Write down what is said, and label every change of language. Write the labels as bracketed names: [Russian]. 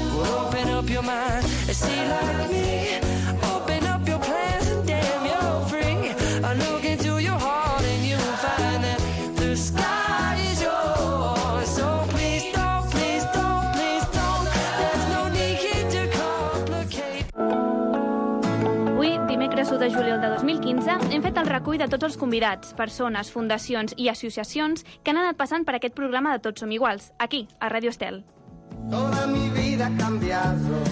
[English] Open up your mind, see like me. Open up your plans and damn, you're free. I look into your heart and you'll find that the sky is yours. So please don't, please don't, please don't. There's no need here to complicate. [Catalan] Avui, dimecres 1 de juliol de 2015, hem fet el recull de tots els convidats, persones, fundacions i associacions que han anat passant per aquest programa de Tots Som Iguals, aquí, a Ràdio Estel. [Spanish] Toda mi vida ha cambiado.